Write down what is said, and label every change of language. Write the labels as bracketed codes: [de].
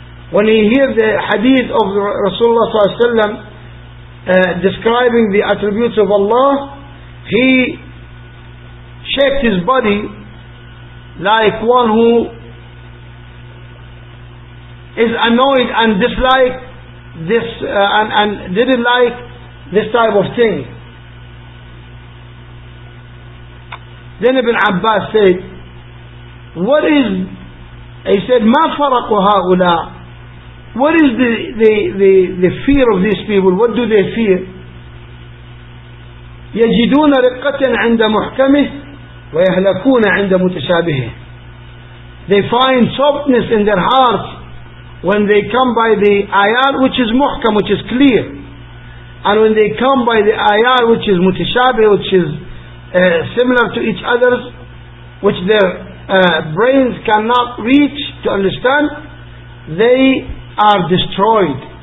[en] when he hears the hadith of Rasulullah sallallahu alaihi wasallam describing the attributes of Allah, he shakes his body like one who is annoyed and dislike this and didn't like this type of thing. Then Ibn Abbas said, "What is?" He said, [ar] "ما فرق هؤلاء?" [en] What is the fear of these people? What do they fear? [ar] يجدون رقة عند محكمه ويهلكون عند متشابهه. [en] They find softness in their hearts when they come by the ayat which is muhkam, which is clear, and when they come by the ayat which is mutashabih, which is similar to each others, which their brains cannot reach to understand, they are destroyed.